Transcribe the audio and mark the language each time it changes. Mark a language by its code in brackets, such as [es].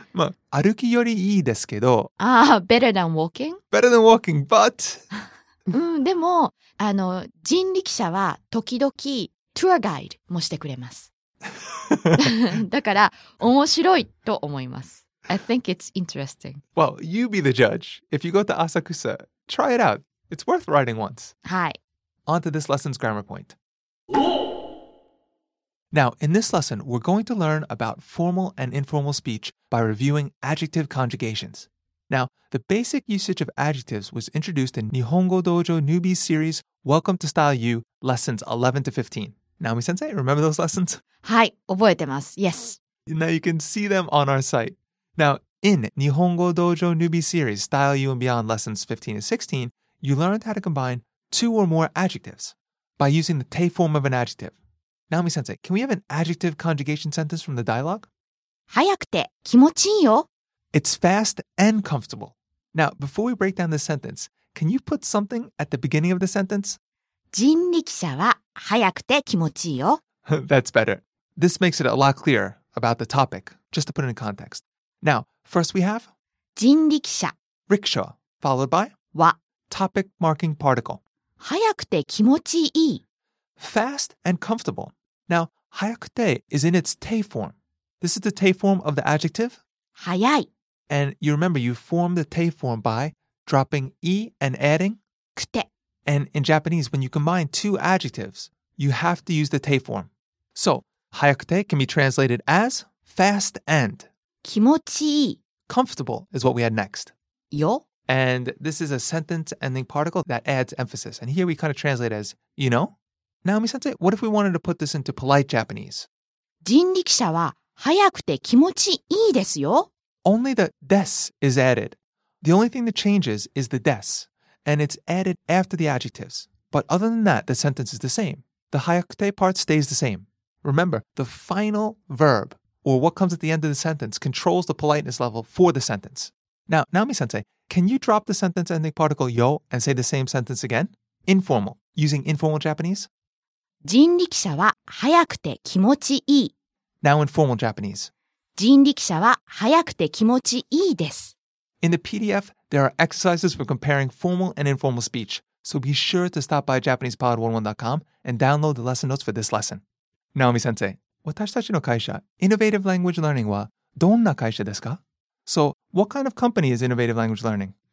[ja] まあ、歩きよりいいですけど。 [en] Ah, better than walking? Better than walking, but... [ja] でも、人力車は時々 [en] tour guide [ja] もしてくれます。だから、面白いと思います。 [en] I think it's interesting. Well, you be the judge. If you go to Asakusa, try it out. It's worth riding once. Hi. On to this lesson's grammar point. Now, in this lesson, we're going to learn about formal and informal speech by reviewing adjective conjugations. Now, the basic usage of adjectives was introduced in Nihongo Dojo Newbie Series Welcome to Style U, Lessons 11 to 15. Naomi-sensei, remember those lessons? Hi, [ja] 覚えてます. [en] Yes. Now you can see them on our site. Now, in Nihongo Dojo Newbie Series Style You and Beyond Lessons 15 and 16, you learned how to combine two or more adjectives by using the te form of an adjective. Naomi-sensei, can we have an adjective conjugation sentence from the dialogue? [ja] 早くて気持ちいいよ. [en] It's fast and comfortable. Now, before we break down this sentence, can you put something at the beginning of the sentence? [ja] 人力車は速くて気持ちいいよ. [en] That's better. This makes it a lot clearer about the topic, just to put it in context. Now, first we have [ja] 人力車, [en] rickshaw, followed by [ja] 和, [en] topic marking particle. [ja] 速くて気持ちいい. [en] Fast and comfortable. Now, 速くて is in its te form. This is the te form of the adjective [ja] 速い. [en] And you remember you form the te form by dropping e and adding [ja] 速くて. [en] And in Japanese, when you combine two adjectives, you have to use the te form. So, 速くて can be translated as fast and. [ja] 気持ちいい. [en] Comfortable is what we had next. [ja] よ. [en] And this is a sentence ending particle that adds emphasis. And here we kind of translate as, you know. Naomi-sensei, what if we wanted to put this into polite Japanese? [ja] 人力車は速くて気持ちいいですよ. [en] Only the des is added. The only thing that changes is the des, and it's added after the adjectives. But other than that, the sentence is the same. The 速くて part stays the same. Remember, the final verb, or what comes at the end of the sentence, controls the politeness level for the sentence. Now, Naomi-sensei, can you drop the sentence ending particle yo and say the same sentence again? Informal, using informal Japanese? [ja] 人力車は速くて気持ちいい. [en] Now in formal Japanese. [ja] 人力車は速くて気持ちいいです. [en] In the PDF, there are exercises for comparing formal and informal speech, so be sure to stop by JapanesePod11.com and download the lesson notes for this lesson. [ja] Naomi-sensei, 私たちの会社, Innovative Language Learning wa どんな会社ですか? [en] So, what kind of company is Innovative Language Learning?